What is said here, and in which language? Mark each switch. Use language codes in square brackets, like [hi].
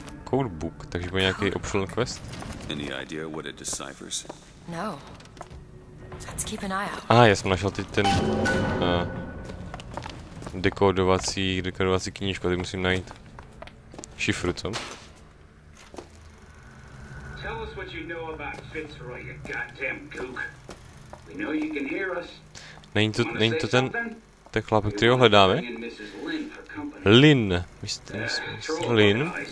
[en] Codebook, [cs] takže bude nějaký [en] optional quest? Any idea what it deciphers? No. Let's keep an eye out. [cs] Aha, já jsem našel teď ten dekodovací knížku, tak musím najít šifru, co? [en] Tell us what you know about Fitzroy, you goddamn gook. We know you can hear us. [cs] Není to ten chlap, který ho hledáme? Lynn. Lynn.